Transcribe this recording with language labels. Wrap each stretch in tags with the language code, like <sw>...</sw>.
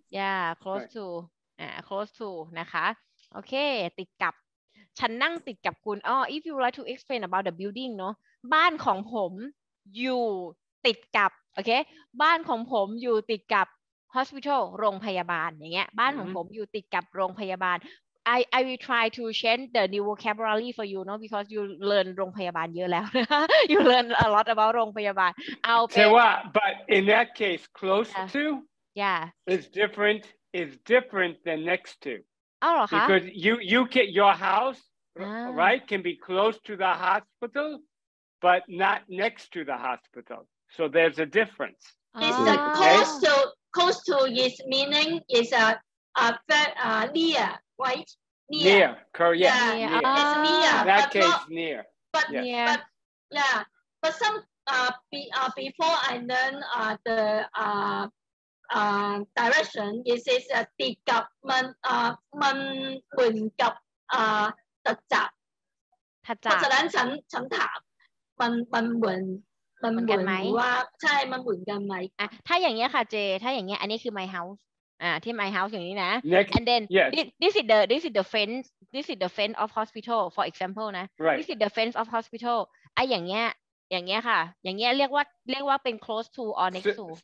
<th>yeah</th> <en>close to close to</en> <th>นะคะโอเคติดกับฉันนั่งติดกับคุณอ๋อ</th> <en>if you like to explain about the building</en> <th>เนาะบ้านของผมอยู่ติดกับโอเคบ้านของผมอยู่ติดกับ hospital โรงพยาบาลอย่างเงี้ยบ้านของผมอยู่ติดกับโรงพยาบาล</th> <en>I will try to change the new vocabulary for you, no? Because you learn</en> <th>โรงพยาบาลเยอะแล้ว</th> <en>You learn a lot about โรงพยาบาล I'll say what, but in that case, close to yeah is different than next to. Oh, huh? Because you get your house right can be close to the hospital, but not next to the hospital. So there's a difference. It's the close to is meaning is near. Right? Near. Correct. Yeah. Near. It's near. That case, not, near. But, yes. Near. But, yeah. But some, before I learn the direction, it says that the government, when gap, the job. The job. So then, I ask, when,</en> <th>ใช่มันเหมือนกันไหม ถ้าอย่างเงี้ยค่ะเจถ้าอย่างเงี้ยอันนี้คือ</th> <en>my house</en> <th>ที่</th> <en>my house</en> <th>อย่างนี้นะ</th> <en>next, and then yes. this is the fence of hospital for example นะ right. this is the fence of hospital</en> <th>ไอ้อย่างเงี้ยค่ะอย่างเงี้ยเรียกว่าเป็น</th> <en>close to or next to</en>